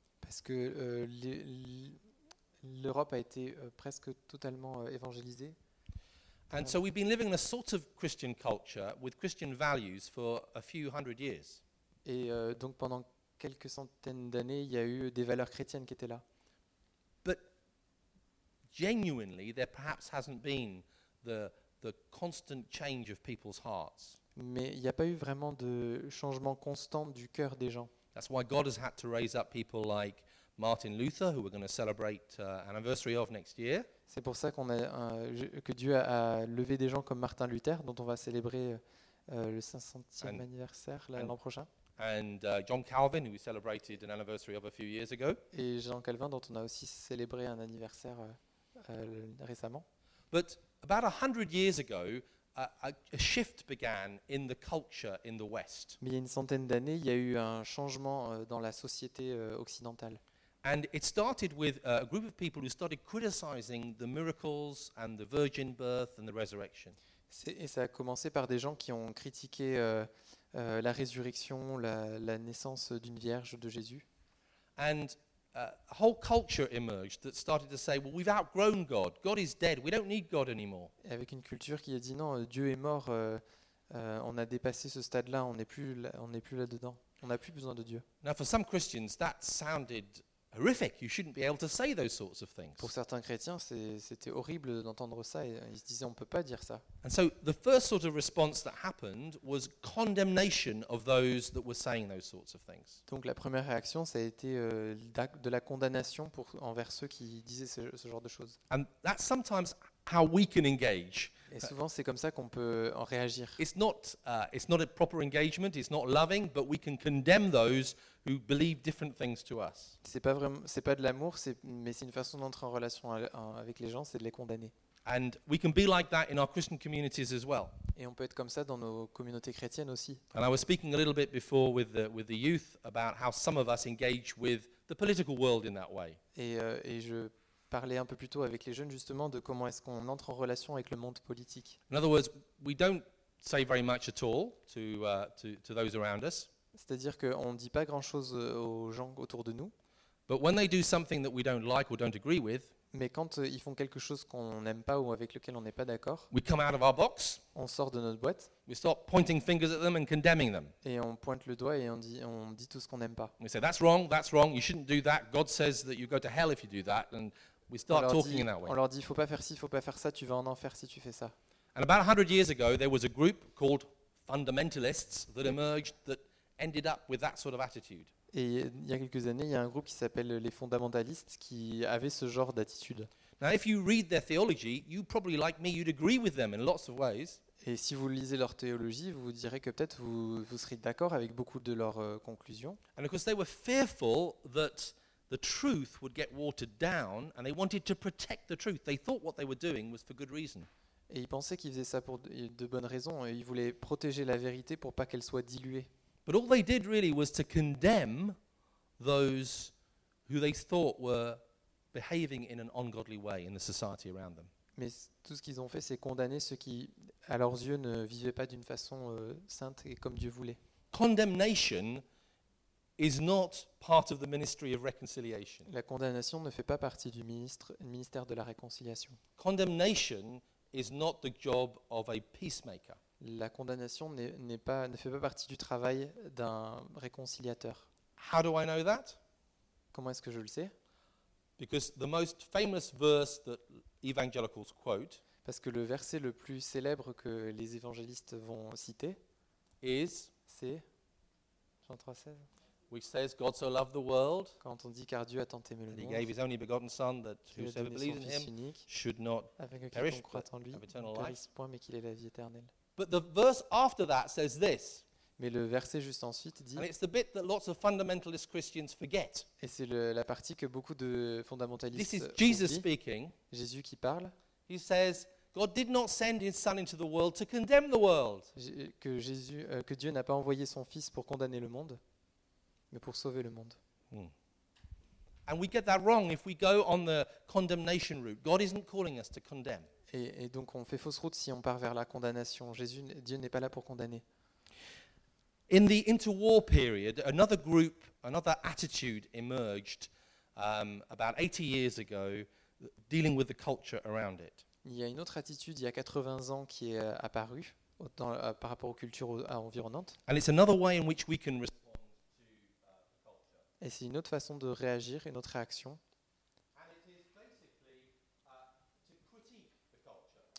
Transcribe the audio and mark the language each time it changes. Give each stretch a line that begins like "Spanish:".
French: Parce que l'Europe a été presque totalement évangélisée.
English: And so we've been living in a sort of Christian culture with Christian values for a few hundred years.
French: Et donc pendant quelques centaines d'années, il y a eu des valeurs chrétiennes qui étaient là.
English: But genuinely, there perhaps hasn't been the constant change of people's hearts.
French: Mais il n'y a pas eu vraiment de changement constant du cœur des gens.
English: That's why God has had to raise up people like Martin Luther, who we're going to celebrate anniversary of next year.
French: C'est pour ça qu'on a que Dieu a levé des gens comme Martin Luther, dont on va célébrer le 500e anniversaire l'an prochain.
English: And John Calvin, who we celebrated an anniversary of a few years ago.
French: Et Jean Calvin, dont on a aussi célébré un anniversaire récemment.
English: But about 100 years ago, a shift began in the culture in the West.
French: Mais il y a une centaine d'années, il y a eu un changement dans la société occidentale.
English: And it started with a group of people who started criticizing the miracles and the virgin birth and the resurrection.
French: Et ça a commencé par des gens qui ont critiqué la résurrection, la naissance d'une vierge de Jésus.
English: And a whole culture emerged that started to say, well, we've outgrown God. God is dead. We don't need God anymore.
French: Et avec une culture qui a dit non, Dieu est mort. On a dépassé ce stade-là. On n'est plus là-dedans. On n'a plus besoin de Dieu.
English: Now, for some Christians, that sounded horrific. You shouldn't be able to say those sorts of things.
French: Pour certains chrétiens, c'était horrible d'entendre ça. Ils se disaient, on peut pas dire ça.
English: And so the first sort of response that happened was condemnation of those that were saying those sorts of things.
French: Donc la première réaction, ça a été de la condamnation envers ceux qui disaient ce genre de choses.
English: And that's sometimes how we can engage.
French: Et souvent, c'est comme ça qu'on peut en réagir.
English: It's not a proper engagement. It's not loving, but we can condemn those who believe different things to us.
French: C'est pas de l'amour, mais c'est une façon d'entrer en relation avec les gens, c'est de les condamner.
English: And we can be like that in our Christian communities as well.
French: Et on peut être comme ça dans nos communautés chrétiennes aussi.
English: And I was speaking a little bit before with the youth about how some of us engage with the political world in that way.
French: Et je parlais un peu plus tôt avec les jeunes justement de comment est-ce qu'on entre en relation avec le monde politique.
English: In other words, we don't say very much at all to those around us.
French: C'est-à-dire qu'on ne dit pas grand-chose aux gens autour de nous.
English: But when they do something that we don't like or don't agree with,
French: mais quand ils font quelque chose qu'on n'aime pas ou avec lequel on n'est pas d'accord,
English: we come out of our box,
French: on sort de notre boîte,
English: we start pointing fingers at them and condemning them.
French: Et on pointe le doigt et on dit tout ce qu'on n'aime pas.
English: We say, that's wrong, you shouldn't do that, God says that you go to hell if you do that, and we start talking in that way.
French: On leur dit, faut pas faire ci, faut pas faire ça, tu vas en enfer si tu fais ça.
English: And about 100 years ago, there was a group called fundamentalists that emerged that ended up with that sort of attitude.
French: Et il y a quelques années, il y a un groupe qui s'appelle les fondamentalistes qui avait ce genre d'attitude.
English: Now, if you read their theology, you probably like me, you'd agree with them in lots of ways.
French: Et si vous lisez leur théologie, vous direz que peut-être vous serez d'accord avec beaucoup de leurs conclusions.
English: And of course, they were fearful that the truth would get watered down, and they wanted to protect the truth. They thought what they were doing was for good reason.
French: Et ils pensaient qu'ils faisaient ça pour de bonnes raisons. Et ils voulaient protéger la vérité pour pas qu'elle soit diluée.
English: But all they did really was to condemn those who they thought were behaving in an ungodly way in the society around them.
French: Mais tout ce qu'ils ont fait, c'est condamner ceux qui, à leurs yeux, ne vivaient pas d'une façon sainte et comme Dieu voulait.
English: Condemnation is not part of the ministry of reconciliation.
French: La condamnation ne fait pas partie du ministère de la réconciliation.
English: Condemnation is not the job of a peacemaker.
French: La condamnation ne fait pas partie du travail d'un réconciliateur.
English: How do I know that?
French: Comment est-ce que je le sais?
English: Because the most famous verse that evangelicals quote,
French: parce que le verset le plus célèbre que les évangélistes vont citer
English: is
French: c'est Jean 3:16.
English: which says God so loved the world,
French: quand on dit car Dieu a tant aimé le
English: that
French: monde,
English: he gave his only begotten son, that whosoever believes in him should not perish, but
French: en lui,
English: have eternal life.
French: Point, mais qu'il ait la vie éternelle.
English: But the verse after that says this.
French: Mais le verset juste ensuite dit,
English: and it's the bit that lots of fundamentalist Christians forget.
French: Et c'est la partie que beaucoup de fondamentalistes oublient.
English: This is Jesus speaking.
French: Jésus qui parle.
English: He says, God did not send his son into the world to condemn the world.
French: Que Dieu n'a pas envoyé son fils pour condamner le monde, mais pour sauver le monde.
English: And we get that wrong if we go on the condemnation route. God isn't calling us to condemn.
French: Et donc on fait fausse route si on part vers la condamnation. Dieu n'est pas là pour condamner.
English: In the interwar period, another group, another attitude emerged about 80 years ago, dealing with the culture around it.
French: Il y a une autre attitude il y a 80 ans qui est apparue par rapport aux cultures environnantes.
English: And it's another way in which we can respond to the culture.
French: Et c'est une autre façon de réagir, une autre réaction.
English: And it is basically to critique the culture.